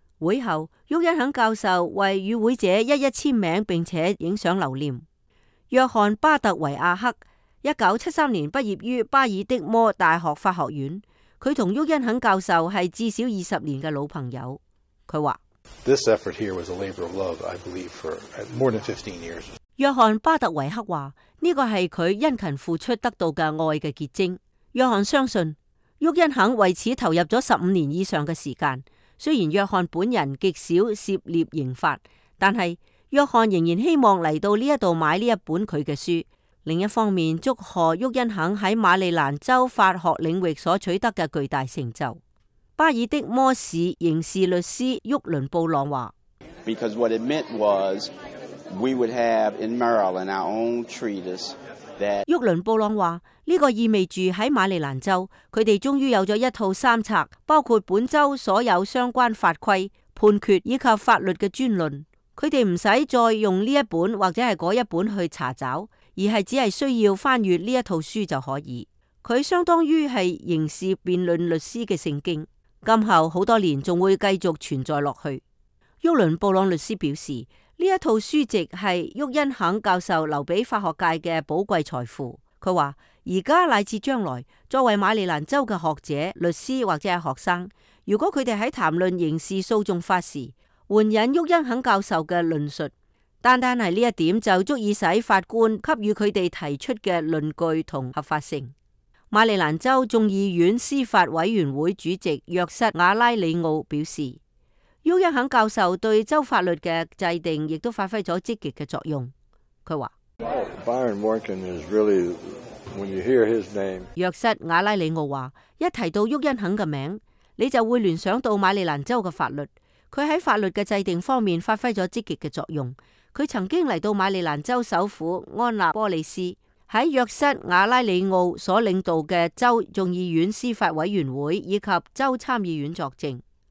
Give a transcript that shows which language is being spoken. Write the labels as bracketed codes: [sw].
[yue] 会后，沃恩肯教授为与会者一一签名，并且影相留念。约翰巴特维亚克1973年毕业于巴尔的摩大学法学院，他同沃恩肯教授是至少20年的老朋友。他说 [en] This effort here was a labor of love, I believe, for more than 15 years. [yue] 约翰巴特维克话：呢个系佢殷勤付出得到嘅爱嘅结晶。约翰相信沃恩肯为此投入咗15年以上嘅时间。虽然约翰本人极少涉猎刑法，但系约翰仍然希望嚟到呢一度买呢一本佢嘅书。另一方面，祝贺沃恩肯喺马里兰州法学领域所取得嘅巨大成就。巴尔的摩市刑事律师沃伦布朗话 [en] ：Because what it meant was。 We would have in Maryland our own treatise that. [yue] 沃伦布朗话：呢个意味住喺马里兰州，佢哋终于有咗一套三册，包括本州所有相关法规、判决以及法律嘅专论。佢哋唔使再用呢一本或者系嗰一本去查找，而系只系需要翻阅呢一套书就可以。佢相当于系刑事辩论律师嘅圣经，今后好多年仲会继续存在落去。沃伦布朗律师表示。这一套书籍是沃恩肯教授留给法学界的宝贵财富。他说现在乃至将来作为马里兰州的学者、律师或者学生，如果他们在谈论刑事诉讼法时援引沃恩肯教授的论述，单单是这一点就足以使法官给予他们提出的论据和合法性。马里兰州众议院司法委员会主席约瑟·瓦拉里奥表示，沃恩肯教授对州法律的制定亦都发挥了积极的作用。他说 [en] Byron Warnken is really, when you hear his name, [yue] 约瑟·瓦拉里奥说，一提到沃恩肯的名你就会联想到马里兰州的法律。他在法律的制定方面发挥了积极的作用。他曾经来到马里兰州首府安纳波利斯，在约瑟瓦拉里奥所领导的州众议院司法委员会以及州参议院作证。